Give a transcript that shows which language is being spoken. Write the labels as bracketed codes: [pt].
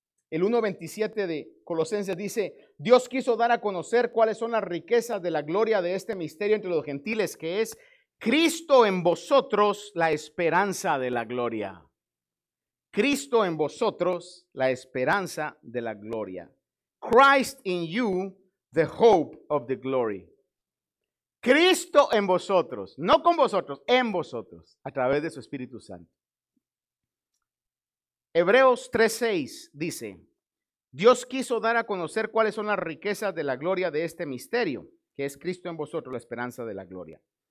[es] El 1:27 de Colosenses dice, Dios quiso dar a conocer cuáles son las riquezas de la gloria de este misterio entre los gentiles, que es Cristo en vosotros, la esperanza de la gloria. Cristo en vosotros, la esperanza de la gloria. [en] Christ in you, the hope of the glory. [es] Cristo en vosotros, no con vosotros, en vosotros, a través de su Espíritu Santo. Hebreos 3:6 dice, Dios quiso dar a conocer cuáles son las riquezas de la gloria de este misterio, que es Cristo en vosotros, la esperanza de la gloria.